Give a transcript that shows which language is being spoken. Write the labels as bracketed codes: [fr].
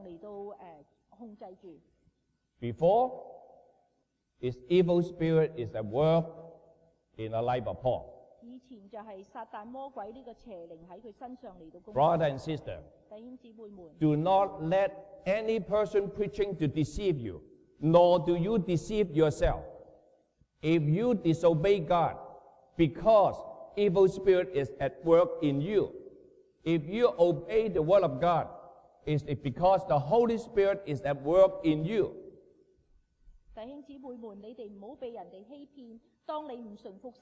[zh] 圣灵在保罗的身上来到控制住。 [en] Before, his evil spirit is at work in the life of Paul. [zh] 以前就是撒旦魔鬼这个邪灵在他身上来到攻击。 [en] Brother and sister, [zh] 弟兄姊妹们, [en] do not let any person preaching to deceive you, nor do you deceive yourself. If you disobey God, because evil spirit is at work in you, if you obey the word of God, it's because the Holy Spirit is at work in you. [zh] 弟兄姊妹们，你们不要被人欺骗。